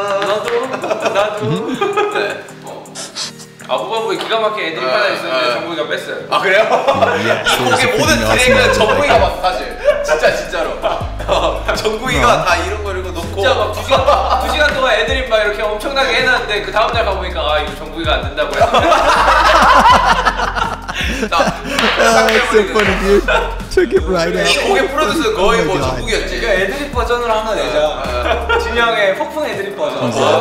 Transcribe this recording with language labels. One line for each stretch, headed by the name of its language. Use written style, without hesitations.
Korean: 나도 나도 아 후반부에 기가 막힌 애드립 하나 있었는데 정구이가 뺐어요. 아 그래요? 이 곡의 모든 진행은 정구이가 봤어 사실. 진짜 진짜로 정구이가 다 이런 걸 넣고 진짜 막 두 시간 동안 애드립 막 이렇게 엄청나게 해놨는데 그 다음날 가보니까 아 이거 정구이가 안 된다고 했는데 나
English: That's so funny, dude. Took it right out.
Korean: 이 곡의 프로듀서 거의 뭐 정구이였지. 애드립 버전으로 한번 내자. 진영의 폭풍 애드립 버전.